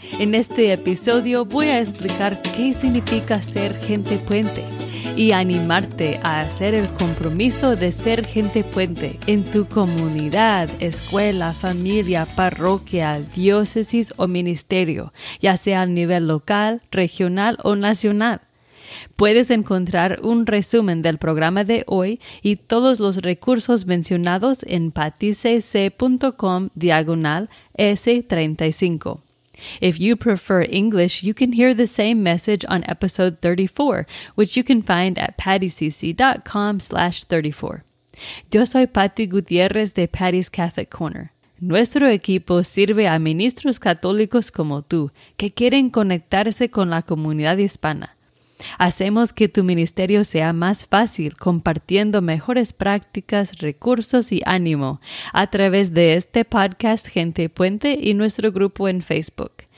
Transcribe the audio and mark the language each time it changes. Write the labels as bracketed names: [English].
[Spanish] En este episodio voy a explicar qué significa ser gente puente y animarte a hacer el compromiso de ser gente puente en tu comunidad, escuela, familia, parroquia, diócesis o ministerio, ya sea a nivel local, regional o nacional. Puedes encontrar un resumen del programa de hoy y todos los recursos mencionados en patisec.com/S35. [English] If you prefer English, you can hear the same message on episode 34, which you can find at patisec.com/34. [Spanish] Yo soy Patti Gutiérrez de Patty's Catholic Corner. Nuestro equipo sirve a ministros católicos como tú que quieren conectarse con la comunidad hispana. Hacemos que tu ministerio sea más fácil compartiendo mejores prácticas, recursos y ánimo a través de este podcast Gente Puente y nuestro grupo en Facebook.